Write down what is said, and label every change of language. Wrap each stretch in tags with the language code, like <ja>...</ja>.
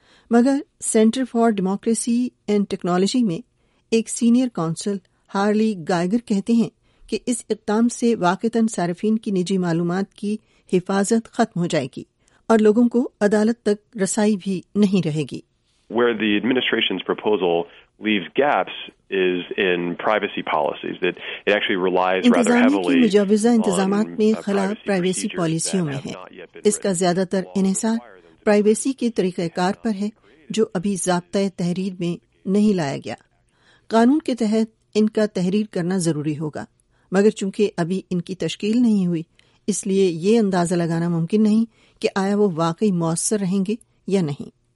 <ur>مگر centre for democracy and technology میں ایک سینئر کونسل ہارلی گائیگر کہتے ہیں کہ اس اقدام سے واقعتاً صارفین کی نجی معلومات کی حفاظت ختم ہو جائے گی اور لوگوں کو عدالت تک رسائی بھی نہیں رہے گی.</ur> <en>Where the administration's proposal leaves gaps is in privacy policies, that it actually relies rather heavily on</en> <ur>مجوزہ انتظامات میں خلا پرائیویسی پالیسیوں میں ہے. اس کا زیادہ تر انحصار پرائیویسی کے طریقہ کار پر ہے جو ابھی ضابطۂ تحریر میں نہیں لایا گیا. قانون کے تحت ان کا تحریر کرنا ضروری ہوگا, مگر چونکہ ابھی ان کی تشکیل نہیں ہوئی اس لیے یہ اندازہ لگانا ممکن نہیں کہ آیا وہ واقعی مؤثر رہیں گے یا نہیں.</ur>